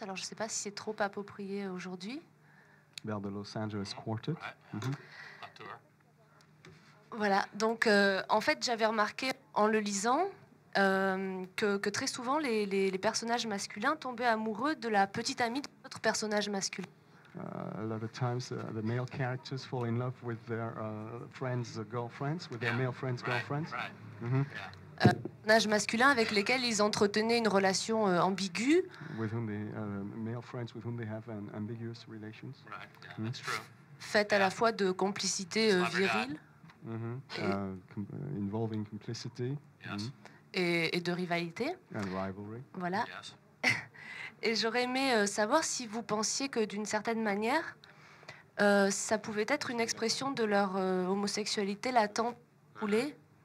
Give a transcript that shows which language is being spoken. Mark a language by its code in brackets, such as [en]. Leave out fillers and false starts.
[fr] Alors je ne sais pas si c'est trop approprié aujourd'hui. Vers le Los Angeles Quartet. [en] Right. Mm-hmm. [fr] Voilà, donc en fait j'avais remarqué en le lisant que très souvent les personnages masculins tombaient amoureux de la petite amie de l'autre personnage masculin. [en] A lot of times the male characters fall in love with their friends' girlfriends, with their male friends' girlfriends. Right, right. Mm-hmm. Yeah. [fr] Personnages masculins avec lesquels ils entretenaient une relation ambiguë. [en] With whom they, male friends with whom they have an ambiguous relations. Right, yeah, mm-hmm. That's true. [fr] Faites yeah. à la fois de complicité virile. [en] Mm-hmm. Involving complicity. Yes. Mm-hmm. [fr] Et de rivalité. [en] And rivalry. [fr] Voilà. [en] Yes. [fr] Et j'aurais aimé savoir si vous pensiez que d'une certaine manière, ça pouvait être une expression de leur homosexualité latente ou les.